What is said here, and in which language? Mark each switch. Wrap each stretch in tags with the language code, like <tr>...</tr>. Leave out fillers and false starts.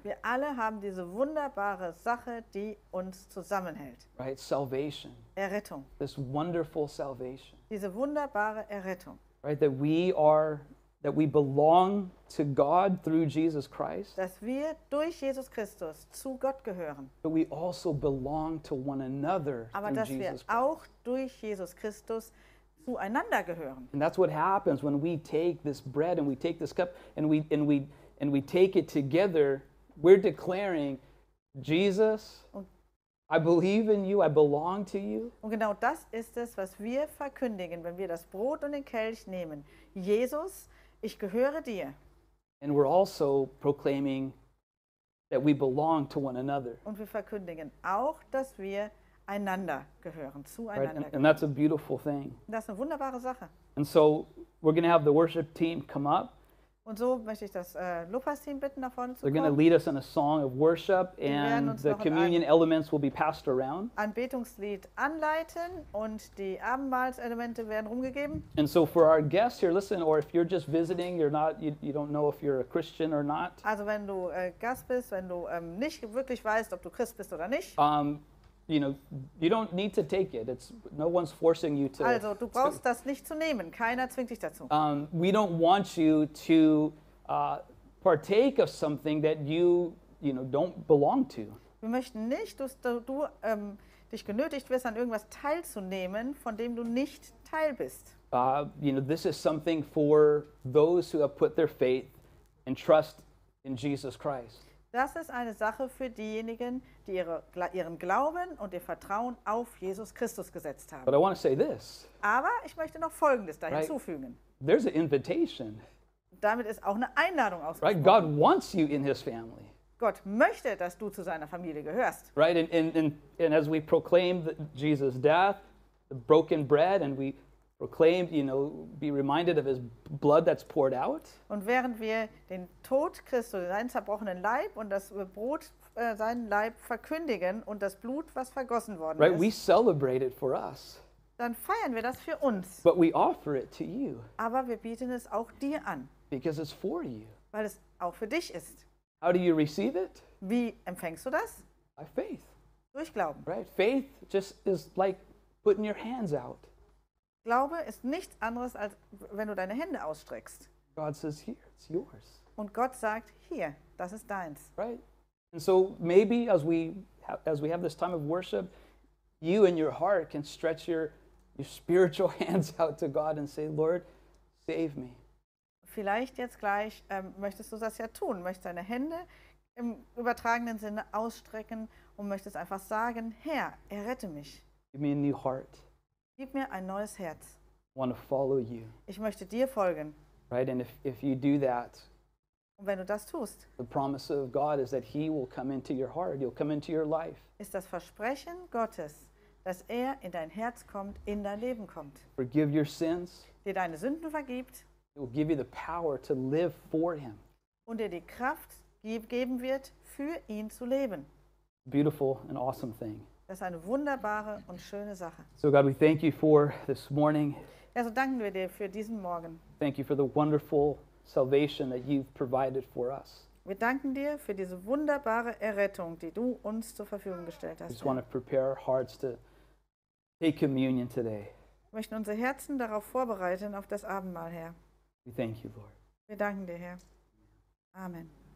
<de>Wir alle haben diese wunderbare Sache, die uns zusammenhält.</de> <en>Right, salvation.</en> <de>Errettung.</de> <en>This wonderful salvation.</en> <de>Diese wunderbare Errettung.</de> <en>Right, that we are, that we belong to God through Jesus Christ.</en> <de>Dass wir durch Jesus Christus zu Gott gehören.</de> <en>But we also belong to one another</en> <de>Aber</de> <en>through Jesus Christ.</en> <de>Aber dass wir auch durch Jesus Christus zueinander gehören.</de> <en>And that's what happens when we take this bread and we take this cup and we take it together. We're declaring, Jesus, I believe in you, I belong to you.</en> <de>Und genau das ist es, was wir verkündigen, wenn wir das Brot und den Kelch nehmen. Jesus, ich gehöre dir.</de> <en>And we're also proclaiming that we belong to one another.</en> <de>Und wir verkündigen auch, dass wir einander gehören, zueinander.</de> <en>Right? And that's a beautiful thing.</en> <de>Das ist eine wunderbare Sache.</de> <en>And so we're going to have the worship team come up.</en> <de>Und so möchte ich das Lobpreisteam bitten, nach vorne zu kommen.</de> <en>They're going to lead us in a song of worship, and the communion elements will be passed around.</en> <de>Anbetungslied anleiten und die Abendmahlselemente werden rumgegeben.</de> <en>And so for our guests here, listen, or if you're just visiting, you're not, you don't know if you're a Christian or not.</en> <de>Also wenn du Gast bist, wenn du nicht wirklich weißt, ob du Christ bist oder nicht.</de> <en>You know, you don't need to take it. It's no one's forcing you to.</en> <de>Also, du brauchst das nicht zu nehmen. Keiner zwingt dich dazu.</de> <en>We don't want you to partake of something that you don't belong to.</en> <de>Wir möchten nicht, dass du dich genötigt wirst, an irgendwas teilzunehmen, von dem du nicht Teil bist.</de> <en>This is something for those who have put their faith and trust in Jesus Christ.</en> <de>Das ist eine Sache für diejenigen, die ihren Glauben und ihr Vertrauen auf Jesus Christus gesetzt haben.</de> <en>But I want to say this.</en> <de>Aber ich möchte noch Folgendes da hinzufügen.</de> <en>Right. There's an invitation.</en> <de>Damit ist auch eine Einladung ausgesprochen.</de> <en>Right. God wants you in his family.</en> <de>Gott möchte, dass du zu seiner Familie gehörst.</de> <en>Right. And as we proclaim Jesus' death, the broken bread, and we proclaim, be reminded of his blood that's poured out.</en> <de>Und während wir den Tod Christi, seinen zerbrochenen Leib und das Brot, seinen Leib verkündigen und das Blut, was vergossen worden</de> <en>right,</en> <de>ist.</de> <en>Right, we celebrate it for us.</en> <de>Dann feiern wir das für uns.</de> <en>But we offer it to you.</en> <de>Aber wir bieten es auch dir an.</de> <en>Because it's for you.</en> <de>Weil es auch für dich ist.</de> <en>How do you receive it?</en> <de>Wie empfängst du das?</de> <en>By faith.</en> <de>Durch Glauben.</de> <en>Right, faith just is like putting your hands out.</en> <de>Glaube ist nichts anderes, als wenn du deine Hände ausstreckst.</de> <en>God says, here, it's yours.</en> <de>Und Gott sagt, hier, das ist deins.</de> <en>Right. And so maybe as we have this time of worship, you in your heart can stretch your spiritual hands out to God and say, Lord, save me.</en> <de>Vielleicht jetzt gleich möchtest du das ja tun, möchtest deine Hände im übertragenen Sinne ausstrecken und möchtest einfach sagen, Herr, errette mich.</de> <en>Give me a new heart.</en> <de>Gib mir ein neues Herz.</de> <en>I want to follow you.</en> <de>Ich möchte dir folgen.</de> <en>Right, and if you do that,</en> <de>und wenn du das tust,</de> <en>the promise of God is that he will come into your heart, he'll come into your life.</en> <de>Ist das Versprechen Gottes, dass er in dein Herz kommt, in dein Leben kommt.</de> <en>Forgive your sins.</en> <de>Dir deine Sünden vergibt.</de> <en>He will give you the power to live for him.</en> <de>Und dir die Kraft geben wird, für ihn zu leben.</de> <en>Beautiful and awesome thing.</en> <de>Das ist eine wunderbare und schöne Sache.</de> <en>So God, we thank you for this morning.</en> <de>Ja, so danken wir dir für diesen Morgen.</de> <en>Thank you for the wonderful salvation that you've provided for us.</en> <de>Wir danken dir für diese wunderbare Errettung, die du uns zur Verfügung gestellt hast.</de> <en>We just want to prepare our hearts to take communion today.</en> <de>Wir möchten unsere Herzen darauf vorbereiten, auf das Abendmahl, Herr.</de> <en>We thank you, Lord.</en> <de>Wir danken dir, Herr. Amen.</de>